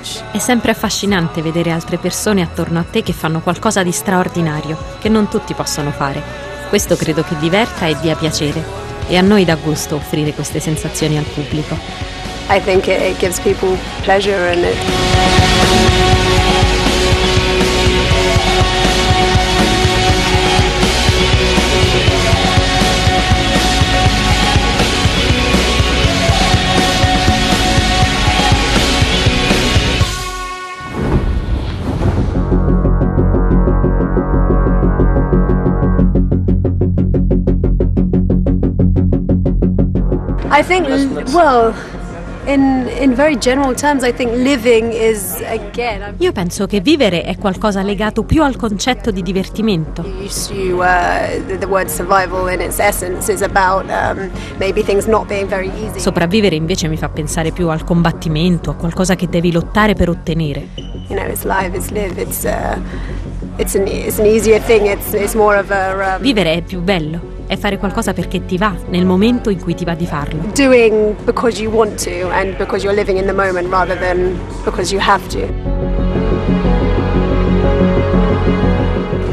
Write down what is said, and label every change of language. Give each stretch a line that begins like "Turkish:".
Italian: È sempre affascinante vedere altre persone attorno a te che fanno qualcosa di straordinario, che non tutti possono fare. Questo credo che diverta e dia piacere. E a noi dà gusto offrire queste sensazioni al pubblico.
English: I think it gives people pleasure in it. I think, well, in very general terms, I think living is again.
Italian: Io penso che vivere è qualcosa legato più al concetto di divertimento.
English: The word survival in its essence is about maybe things not being very easy.
Italian: Sopravvivere invece mi fa pensare più al combattimento, a qualcosa che devi lottare per ottenere.
English: You know, it's live, it's live, it's an easier thing. It's more of a.
Italian: Vivere è più bello. È fare qualcosa perché ti va, nel momento in cui ti va di farlo.
English: Doing because you want to and because you're living in the moment rather than because you have to.